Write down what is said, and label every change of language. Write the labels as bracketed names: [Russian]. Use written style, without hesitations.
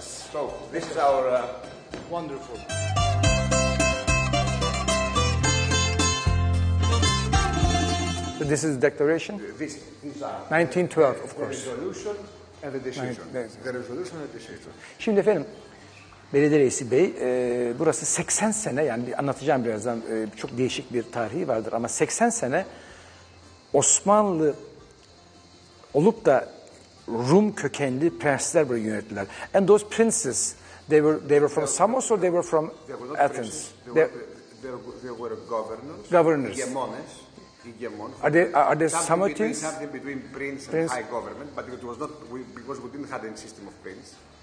[English] So, this is our wonderful. So this is the declaration? This is 1912, of course. The resolution and the decision. The resolution and the decision. [Turkish] Şimdi efendim, Belediye Reisi Bey, burası 80 sene, yani bir anlatacağım birazdan, çok değişik bir tarihi vardır ama 80 sene Osmanlı olup da Rum kökenli prensler burayı yönettiler. [English] And those princes, they were from Samos or they were from Athens? They were governors. Governors. Hegemons. Are they Samotins? Something between prince and high government, but it was not, because we didn't have any system of prince.